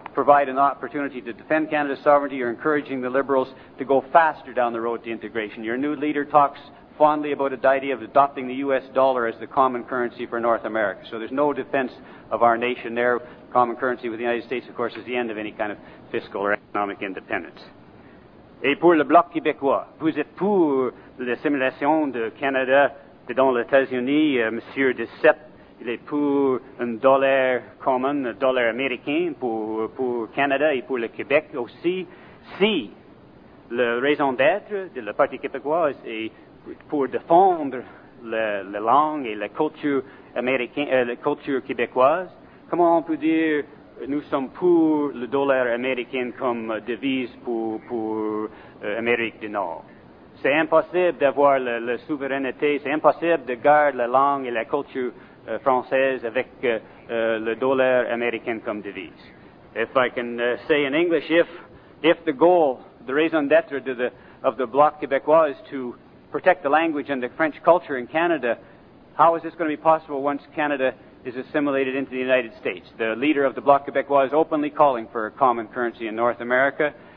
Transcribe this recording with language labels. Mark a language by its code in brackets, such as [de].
[en] provide an opportunity to defend Canada's sovereignty. You're encouraging the Liberals to go faster down the road to integration. Your new leader talks fondly about the idea of adopting the U.S. dollar as the common currency for North America. So there's no defense of our nation there. Common currency with the United States, of course, is the end of any kind of fiscal or economic independence. [fr] Et pour le Bloc québécois, vous êtes pour l'assimilation de Canada dans les États-Unis, Monsieur Duceppe, il est pour un dollar commun, un dollar américain pour Canada et pour le Québec aussi. Si la raison d'être de la Parti québécoise est pour défendre la langue et la culture américaine, la culture québécoise, comment on peut dire nous sommes pour le dollar américain comme devise pour Amérique du Nord? C'est impossible d'avoir la souveraineté, c'est impossible de garder la langue et la culture française avec le dollar américain comme devise. [en] If I can say in English, if the goal, the raison d'être of the Bloc québécois is to protect the language and the French culture in Canada, how is this going to be possible once Canada is assimilated into the United States? The leader of the Bloc Québécois is openly calling for a common currency in North America.